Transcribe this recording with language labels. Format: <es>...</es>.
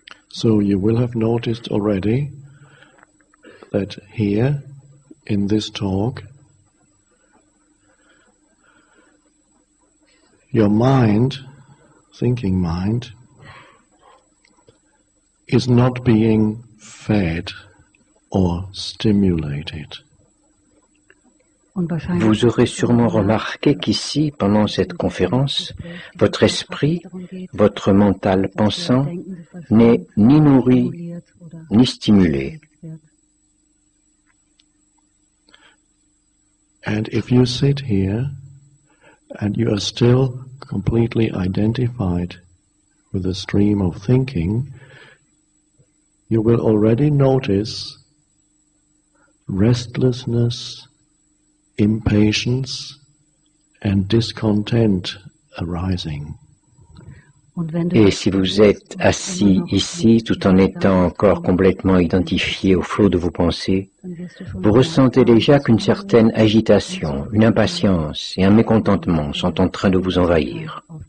<en>So you will have noticed already that here in this talk, your mind, thinking mind, is not being fed or stimulated.</en> <fr>Vous aurez sûrement remarqué qu'ici, pendant cette conférence, votre esprit, votre mental pensant, n'est ni nourri ni stimulé.</fr> <en>And if you sit here and you are still completely identified with the stream of thinking, you will already notice restlessness, impatience and discontent arising.</en> <fr>Et si vous êtes assis ici tout en étant encore complètement identifié au flot de vos pensées, vous ressentez déjà qu'une certaine agitation, une impatience et un mécontentement sont en train de vous envahir.</fr>